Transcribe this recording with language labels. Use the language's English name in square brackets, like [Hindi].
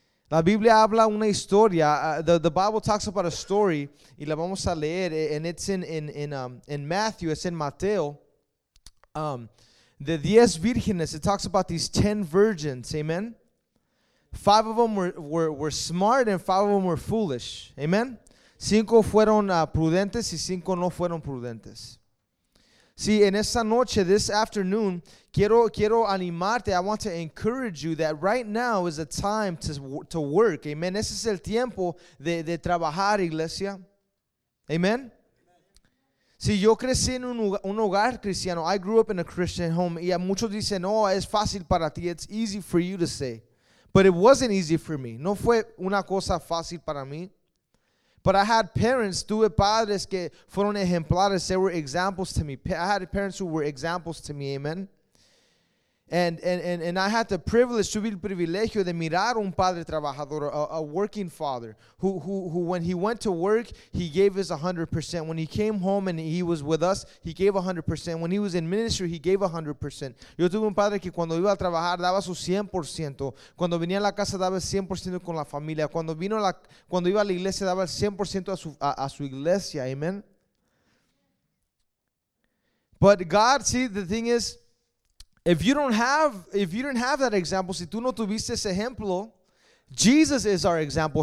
[Spanish] La Biblia habla una historia, [English] the Bible talks about a story, [Spanish] y la vamos a leer, [English] and it's in Matthew, it's in Mateo, the 10 vírgenes, it talks about these 10 virgins, amen. Five of them were smart and five of them were foolish. Amen. [Spanish] Cinco fueron prudentes y cinco no fueron prudentes. Sí, en esta noche, [English] this afternoon, [Spanish] quiero animarte. [English] I want to encourage you that right now is the time to work. [Spanish] Amen. Ese es el tiempo de trabajar, iglesia. Amen. Si yo crecí en un hogar cristiano, [English] I grew up in a Christian home. [Spanish] Y a muchos dicen, no, es fácil para ti. [English] It's easy for you to say. But it wasn't easy for me. [Spanish] No fue una cosa fácil para mí. [English] But I had parents, [Spanish] tuve padres que fueron ejemplares. [English] They were examples to me. I had parents who were examples to me, amen. And I had the privilege, [Spanish] tuve el privilegio de mirar un padre trabajador, [English] a working father, who when he went to work, he gave his 100%. When he came home and he was with us, he gave 100%. When he was in ministry, he gave 100%. [Spanish] Yo tuve un padre que cuando iba a trabajar daba su 100%. Cuando venía a la casa daba 100% con la familia. Cuando iba a la iglesia daba el 100% a su iglesia, amen. [English] But God, see, the thing is, If you didn't have that example, [Spanish] si tú no tuviste ese ejemplo, [English] Jesus is our example.